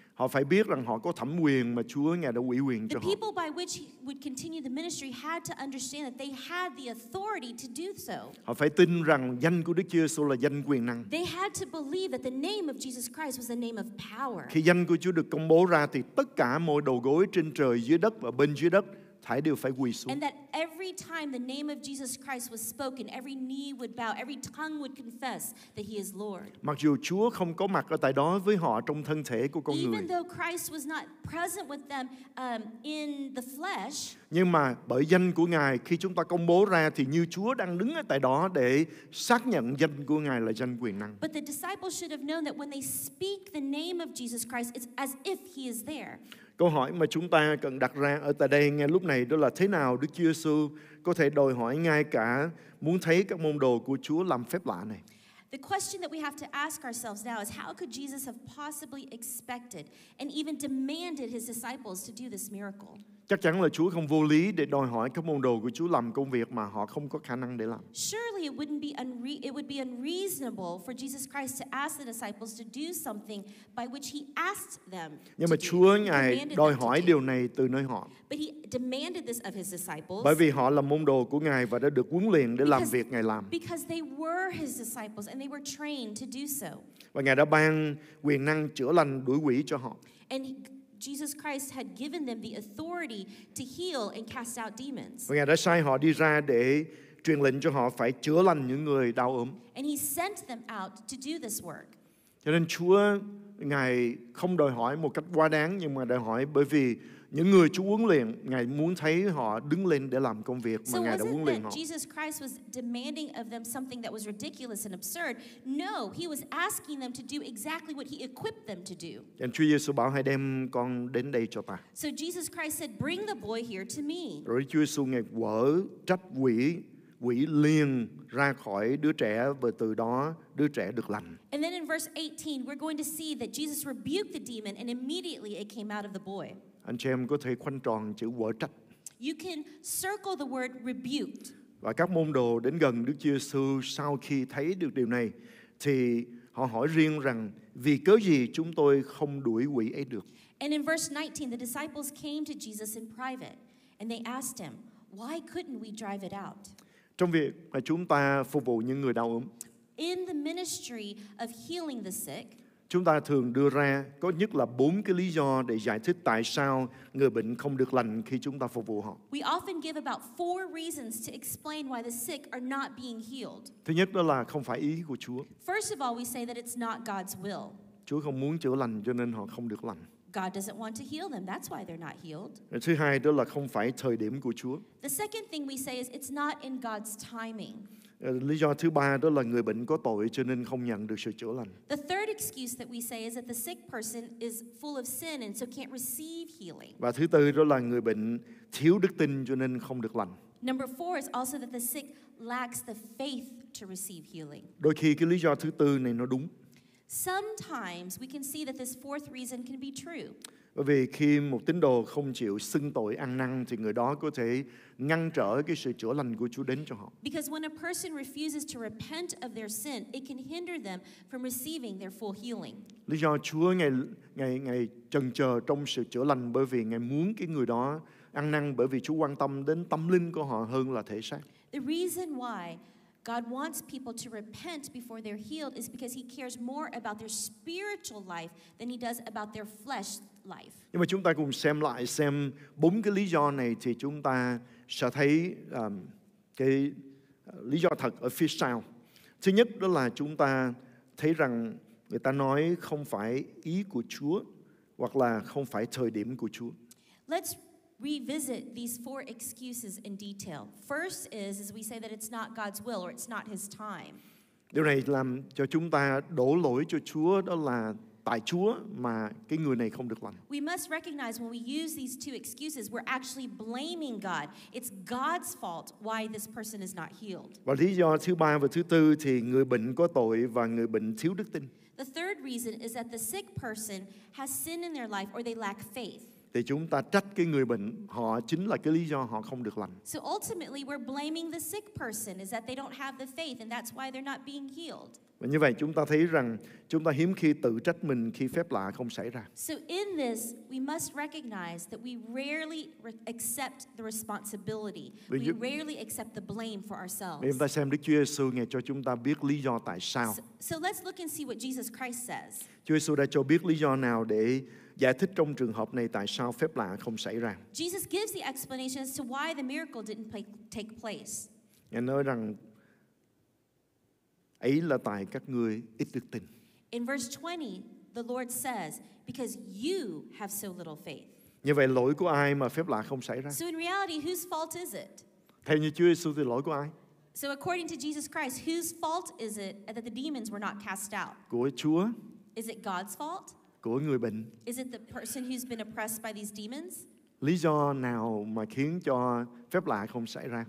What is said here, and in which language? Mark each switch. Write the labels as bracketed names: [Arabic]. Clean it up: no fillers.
[Vietnamese] Họ phải biết rằng họ có thẩm quyền mà Chúa Ngài đã ủy quyền cho họ. [English] The people by which he would continue the ministry had to understand that they had the authority to do so. [Vietnamese] Họ phải tin rằng danh của Đức Giêsu là danh quyền năng. [English] They had to believe that the name of Jesus Christ was the name of power. [Vietnamese] Khi danh của Chúa được công bố ra thì tất cả mọi đầu gối trên trời, dưới đất và bên dưới đất thảy đều phải quỳ xuống. [English] And that every time the name of Jesus Christ was spoken, every knee would bow, every tongue would confess that he is Lord. [Vietnamese] Mặc dù Chúa không có mặt ở tại đó với họ trong thân thể của con người. [English] Even though Christ was not present with them in the flesh. [Vietnamese] Nhưng mà bởi danh của Ngài khi chúng ta công bố ra thì như Chúa đang đứng ở tại đó để xác nhận danh của Ngài là danh quyền năng. [English] But the disciples should have known that when they speak the name of Jesus Christ, it's as if he is there. [Vietnamese] Câu hỏi mà chúng ta cần đặt ra ở tại đây ngay lúc này đó là thế nào Đức Chúa Giêsu có thể đòi hỏi ngay cả muốn thấy các môn đồ của Chúa làm phép lạ này? [English] The question that we have to ask ourselves now is how could Jesus have possibly expected and even demanded his disciples to do this miracle? [Vietnamese] Chắc chắn là Chúa không vô lý để đòi hỏi các môn đồ của Chúa làm công việc mà họ không có khả năng để làm. [English] Surely it wouldn't be unreasonable for Jesus Christ to ask the disciples to do something by which he asked them. [Vietnamese] Nhưng mà Chúa Ngài đòi hỏi điều này từ nơi họ. [English] But he demanded this of his disciples. [Vietnamese] Bởi vì họ là môn đồ của Ngài và đã được huấn luyện để làm việc Ngài làm. [English] Because they were his disciples and they were trained to do so. [Vietnamese] Và Ngài đã ban quyền năng chữa lành đuổi quỷ cho họ. [English] And Jesus Christ had given them the authority to heal and cast out demons. [Vietnamese] Và Ngài đã sai họ đi ra để truyền lệnh cho họ phải chữa lành những người đau ốm. [English] And he sent them out to do this work. [Vietnamese] Cho nên Chúa Ngài không đòi hỏi một cách quá đáng, nhưng mà đòi hỏi bởi vì những người Chúa huấn luyện, Ngài muốn thấy họ đứng lên để làm công việc mà Ngài đã huấn luyện họ. [English] So Jesus Christ was demanding of them something that was ridiculous and absurd. No, he was asking them to do exactly what he equipped them to do. [Vietnamese] Nên Chúa Giêsu bảo hãy đem con đến đây cho ta. [English] So Jesus Christ said, bring the boy here to me. [Vietnamese] Rồi Chúa Giêsu Ngài quở trách quỷ, quỷ liền ra khỏi đứa trẻ và từ đó đứa trẻ được lành. [English] And then in verse 18, we're going to see that Jesus rebuked the demon and immediately it came out of the boy. [Vietnamese] Anh chị em có thể khoanh tròn chữ quở trách. [English] You can circle the word rebuked. [Vietnamese] Và các môn đồ đến gần Đức Giêsu sau khi thấy được điều này thì họ hỏi riêng rằng vì cớ gì chúng tôi không đuổi quỷ ấy được. [English] And in verse 19 the disciples came to Jesus in private and they asked him, why couldn't we drive it out? [Vietnamese] Trong việc mà chúng ta phục vụ những người đau ốm. [English] In the ministry of healing the sick. [Vietnamese] Chúng ta thường đưa ra có nhất là 4 cái lý do để giải thích tại sao người bệnh không được lành khi chúng ta phục vụ họ. [English] We often give about 4 reasons to explain why the sick are not being healed. [Vietnamese] Thứ nhất đó là không phải ý của Chúa. [English] First of all, we say that it's not God's will. [Vietnamese] Chúa không muốn chữa lành cho nên họ không được lành. [English] God doesn't want to heal them. That's why they're not healed. [Vietnamese] Thứ hai đó là không phải thời điểm của Chúa. [English] The second thing we say is it's not in God's timing. [Vietnamese] Lý do thứ ba đó là người bệnh có tội cho nên không nhận được sự chữa lành. [English] The third excuse that we say is that the sick person is full of sin and so can't receive healing. [Vietnamese] Và thứ tư đó là người bệnh thiếu đức tin cho nên không được lành. [English] Number four is also that the sick lacks the faith to receive healing. [Vietnamese] Đôi khi cái lý do thứ tư này nó đúng. [English] Sometimes we can see that this fourth reason can be true. [Vietnamese] Bởi vì khi một tín đồ không chịu xưng tội ăn năn thì người đó có thể ngăn trở cái sự chữa lành của Chúa đến cho họ. [English] Because when a person refuses to repent of their sin, it can hinder them from receiving their full healing. [Vietnamese] Lý do Chúa ngày chần chờ trong sự chữa lành bởi vì Ngài muốn cái người đó ăn năn bởi vì Chúa quan tâm đến tâm linh của họ hơn là thể xác. [English] The reason why God wants people to repent before they're healed is because he cares more about their spiritual life than he does about their flesh life. [Vietnamese] Nhưng mà chúng ta cùng xem lại xem 4 cái lý do này thì chúng ta sẽ thấy cái lý do thật ở phía sau. Thứ nhất đó là chúng ta thấy rằng người ta nói không phải ý của Chúa hoặc là không phải thời điểm của Chúa. [English] Let's revisit these four excuses in detail. First is, as we say, that it's not God's will or it's not his time. [Vietnamese] Điều này làm cho chúng ta đổ lỗi cho Chúa đó là tại Chúa mà cái người này không được lành. [English] We must recognize when we use these two excuses, we're actually blaming God. It's God's fault why this person is not healed. [Vietnamese] Và lý do thứ ba và thứ tư thì người bệnh có tội và người bệnh thiếu đức tin. [English] The third reason is that the sick person has sin in their life or they lack faith. [Vietnamese] thì chúng ta trách cái người bệnh, họ chính là cái lý do họ không được lành. [English] So ultimately we're blaming the sick person is that they don't have the faith and that's why they're not being healed. [Vietnamese] Và như vậy chúng ta thấy rằng chúng ta hiếm khi tự trách mình khi phép lạ không xảy ra. [English] So in this we must recognize that we rarely accept the responsibility. We rarely accept the blame for ourselves. [Vietnamese] Chúng ta xem Đức Chúa Giêsu ngài cho chúng ta biết lý do tại sao. [English] So let's look and see what Jesus Christ says. [Vietnamese] Chúa Giêsu đã cho biết lý do nào để giải thích trong trường hợp này tại sao phép lạ không xảy ra. [English] Jesus gives the explanation as to why the miracle didn't take place. [Vietnamese] Ngài nói rằng ấy là tại các ngươi ít đức tin. [English] In verse 20, the Lord says, because you have so little faith. [Vietnamese] Như vậy lỗi của ai mà phép lạ không xảy ra? [English] So in reality, whose fault is it? [Vietnamese] Theo như Chúa Giêsu thì lỗi của ai? [English] So according to Jesus Christ, whose fault is it that the demons were not cast out? [Vietnamese] Của Chúa? [English] Is it God's fault? [Vietnamese] Của người bệnh? [English] Is it the person who's been oppressed by these demons? [Vietnamese] Lý do nào mà khiến cho phép lạ không xảy ra?